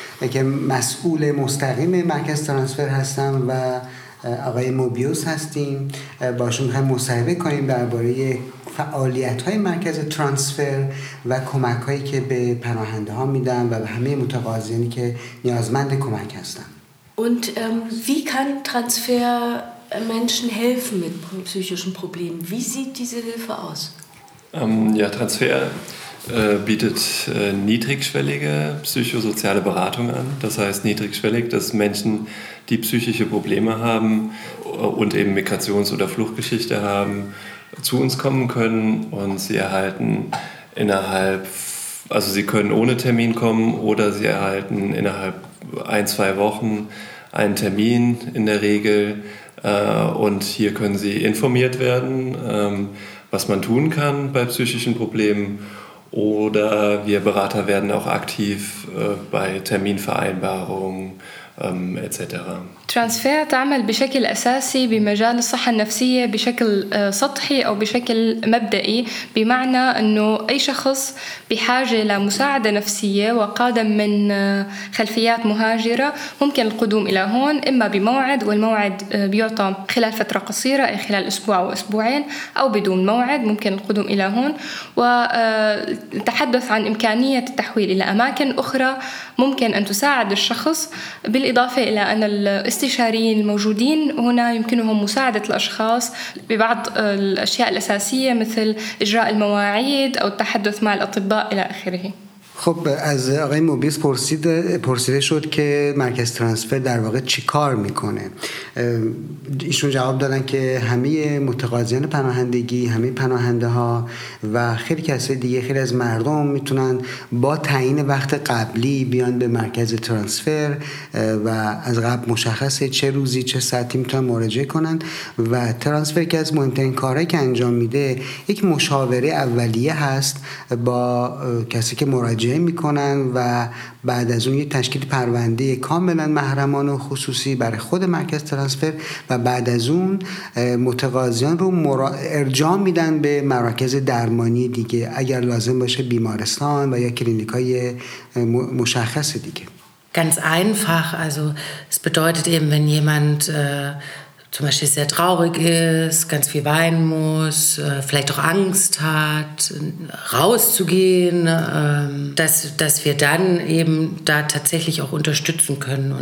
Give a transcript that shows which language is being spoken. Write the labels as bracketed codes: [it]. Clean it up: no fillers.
[fa] که مسئول مستقیم مرکز ترانسفر هستم و آقای موبیوس هستیم، باشون هم مصاحبه کنیم درباره فعالیت‌های مرکز ترانسفر و کمک‌هایی که به پناهنده‌ها میدن و به همه متقاضیانی که نیازمند کمک هستن. [de] Und wie kann Transfer Menschen helfen mit psychischen Problemen? Wie sieht diese Hilfe aus? Ja, Transfer bietet niedrigschwellige psychosoziale Beratung an. Das heißt niedrigschwellig, dass Menschen, die psychische Probleme haben und eben Migrations- oder Fluchtgeschichte haben, zu uns kommen können und sie erhalten innerhalb, also sie können ohne Termin kommen oder sie erhalten innerhalb ein, zwei Wochen einen Termin in der Regel. Und hier können sie informiert werden, was man tun kann bei psychischen Problemen. Oder wir Berater werden auch aktiv bei Terminvereinbarungen etc. [ar] Transfer تعمل بشكل أساسي بمجال الصحة النفسية بشكل سطحي أو بشكل مبدئي بمعنى أنه أي شخص بحاجة لمساعدة نفسية وقادم من خلفيات مهاجرة ممكن القدوم إلى هون إما بموعد والموعد بيعطى خلال فترة قصيرة أي خلال أسبوع أو أسبوعين أو بدون موعد ممكن القدوم إلى هون وتحدث عن إمكانية التحويل إلى أماكن أخرى ممكن أن تساعد الشخص بالإضافة إلى أن الاستشاريين الموجودين هنا يمكنهم مساعدة الأشخاص ببعض الأشياء الأساسية مثل إجراء المواعيد أو التحدث مع الأطباء إلى آخره. [fa] خب از آقای موبیس پرسیده شد که مرکز ترانسفر در واقع چی کار میکنه. ایشون جواب دادن که همه متقاضیان پناهندگی، همه پناهنده ها و خیلی کسای دیگه، خیلی از مردم میتونن با تعیین وقت قبلی بیان به مرکز ترانسفر و از قبل مشخصه چه روزی چه ساعتی میتونن مراجعه کنن و ترانسفر که از مهمترین کارهایی که انجام میده یک مشاوره اولیه هست با کسی که مراجعه میکنن و بعد از اون یه تشکیل پرونده کاملا محرمانه و خصوصی برای خود مرکز ترانسفر و بعد از اون متقاضیان رو ارجاع میدن به مراکز درمانی دیگه اگر لازم باشه بیمارستان و یا کلینیکای مشخص دیگه. [de] ganz einfach, also es bedeutet eben, wenn jemand zum Beispiel sehr traurig ist, ganz viel weinen muss, vielleicht auch Angst hat, rauszugehen, dass wir dann eben da tatsächlich auch unterstützen können.